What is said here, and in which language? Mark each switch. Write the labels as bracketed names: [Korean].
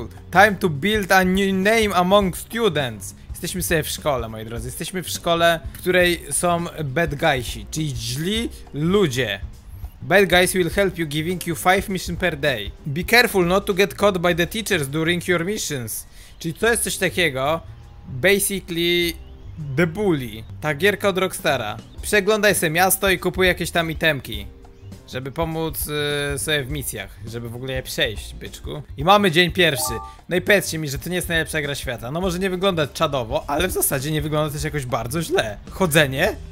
[English] Time to build a new name among students! [Polish] Jesteśmy sobie w szkole, moi drodzy. Jesteśmy w szkole, w której są bad guysi, czyli źli ludzie. [English] Bad guys will help you giving you 5 missions per day. Be careful not to get caught by the teachers during your missions. [Polish] Czyli to jest coś takiego, [English] basically the bully. [Polish] Ta gierka od Rockstara. Przeglądaj sobie miasto i kupuj jakieś tam itemki, żeby pomóc sobie w misjach, żeby w ogóle je przejść, byczku. I mamy dzień pierwszy. No i powiedzcie mi, że to nie jest najlepsza gra świata. No może nie wygląda czadowo, ale w zasadzie nie wygląda też jakoś bardzo źle. Chodzenie?